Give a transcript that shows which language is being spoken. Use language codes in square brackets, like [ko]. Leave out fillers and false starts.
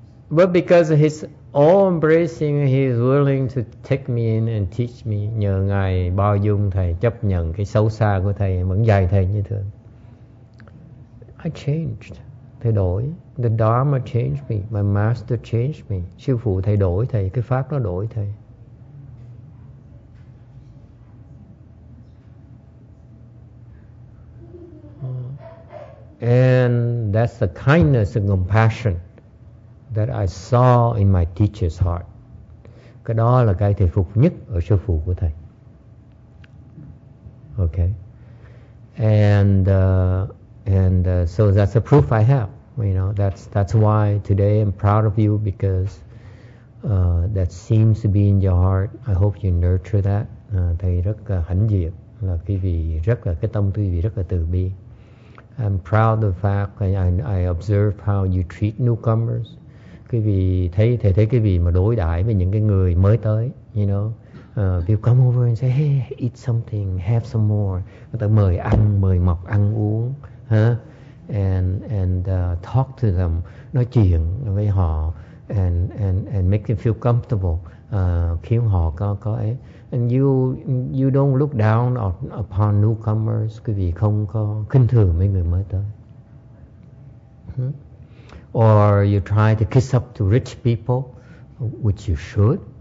[en] But because he's all embracing, he's willing to take me in and teach me. [vi] Nhờ ngài bao dung thầy, chấp nhận cái xấu xa của thầy, vẫn dạy thầy như thường. [en] I changed. [vi] Thay đổi. [en] The Dharma changed me. My master changed me. [vi] Sư phụ thay đổi thầy. Cái pháp nó đổi thầy. [en] And that's the kindness and compassion that I saw in my teacher's heart. [vi] Cái đó là cái thầy phục nhất ở sư phụ của thầy. [en] Okay. So that's the proof I have. You know, that's why today I'm proud of you, because that seems to be in your heart. I hope you nurture that. [vi] Thầy rất hãnh diện, là quý vị rất là cái tâm quý vị rất là từ bi. [en] I'm proud of the fact that I observe how you treat newcomers. [vi] Quý vị thấy, thầy thấy quý vị mà đối đãi với những cái người mới tới, you know. [en] People come over and say, hey, eat something, have some more. [vi] Người ta mời ăn, mời mọc ăn uống. Huh? [en] And talk to them, [vi] nói chuyện với họ, [en] and make them feel comfortable. [vi] Khiến họ có ấy. [en] And you don't look down upon newcomers. [vi] Quý vị không có khinh thường mấy người mới tới. [en] or you try to kiss up to rich people, which you should.